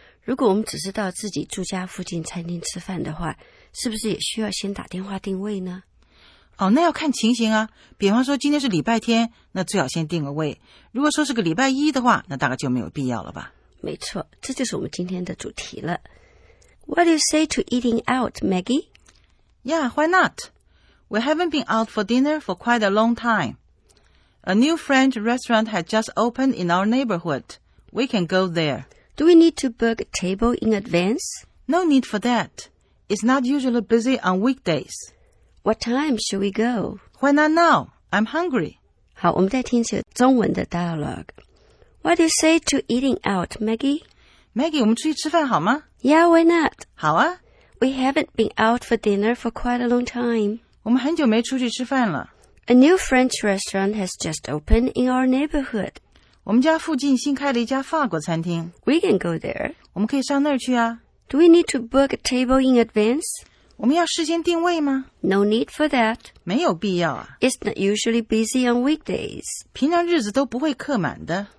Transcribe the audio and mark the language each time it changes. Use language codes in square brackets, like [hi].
[zh] 如果我们只是到自己住家附近餐厅吃饭的话，是不是也需要先打电话定位呢？哦，那要看情形啊。比方说今天是礼拜天，那最好先定个位。如果说是个礼拜一的话，那大概就没有必要了吧。没错，这就是我们今天的主题了。 [en] What do you say to eating out, Maggie? Yeah, why not? We haven't been out for dinner for quite a long time. A new French restaurant had just opened in our neighborhood. We can go there. Do we need to book a table in advance? No need for that. It's not usually busy on weekdays. What time should we go? Why not now? I'm hungry. [zh] 好，我们再听一下中文的 dialogue. [en] What do you say to eating out, Maggie? [zh] Maggie, 我们出去吃饭好吗？ [en] Yeah, why not? [zh] 好啊。 [en] We haven't been out for dinner for quite a long time. [zh] 我们很久没出去吃饭了。 [en] A new French restaurant has just opened in our neighborhood. [zh] 我们家附近新开了一家法国餐厅。 [en] We can go there. [zh] 我们可以上那儿去啊。 [en] Do we need to book a table in advance? [zh] 我们要事先定位吗？ [en] No need for that. [zh] 没有必要啊。 [en] It's not usually busy on weekdays. [zh] 平常日子都不会客满的。